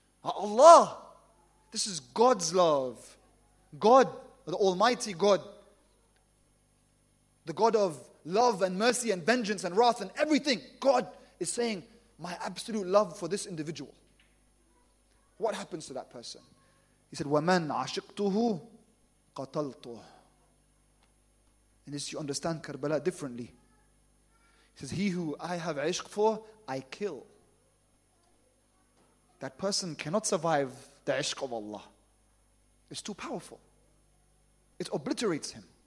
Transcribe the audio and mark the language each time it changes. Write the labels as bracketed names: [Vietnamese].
[English] Allah, this is God's love. God, the Almighty God, the God of love and mercy and vengeance and wrath and everything. God is saying, my absolute love for this individual. What happens to that person? He said, [Arabic] وَمَنْ عَشِقْتُهُ قَتَلْتُهُ. [English] And this you understand Karbala differently. He says, he who I have عشق for, I kill. That person cannot survive the عشق of Allah. It's too powerful. It obliterates him.